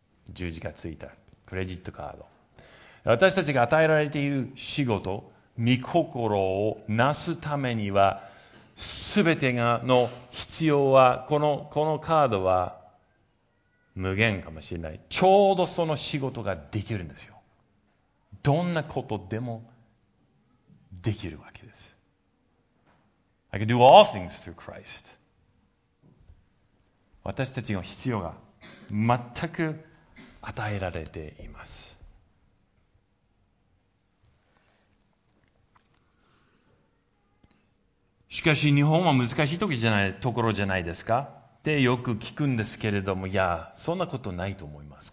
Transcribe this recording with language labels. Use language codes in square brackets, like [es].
[ja] 十字架ついたクレジットカード。私たちが与えられている仕事、御心をなすためには、すべてがの必要は、このカードは無限かもしれない。ちょうどその仕事ができるんですよ。どんなことでもできるわけです。 [en] I can do all things through Christ. [ja] 私たちの必要が全く与えられています。しかし日本は難しいところじゃないですかってよく聞くんですけれども、いや、そんなことないと思います。